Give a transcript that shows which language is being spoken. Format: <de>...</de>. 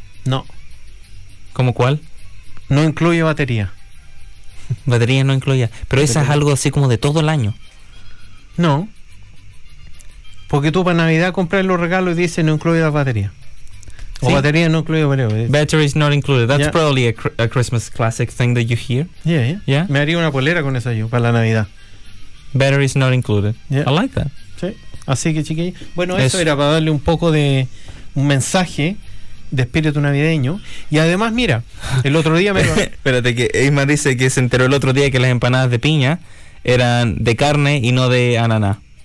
<es>No. ¿Cómo cuál? No incluye batería. Batería no incluye. Pero esa es algo así como de todo el año. No. Porque tú para Navidad compras los regalos y dices no incluye la batería. O sí. Batería no incluye batería.</es> <en>Battery is not included. That's probably a Christmas classic thing that you hear. Yeah.</en> <es>Me haría una polera con esa yo para la Navidad.</es> <en>Battery is not included. Yeah. I like that.</en> <es>Sí. Así que chiquillos. Bueno, eso era para darle un poco de un mensaje de espíritu navideño. Y además, mira, el otro día me... Espérate que Isma dice que se enteró el otro día que las empanadas de piña eran de carne y no de ananá.</es>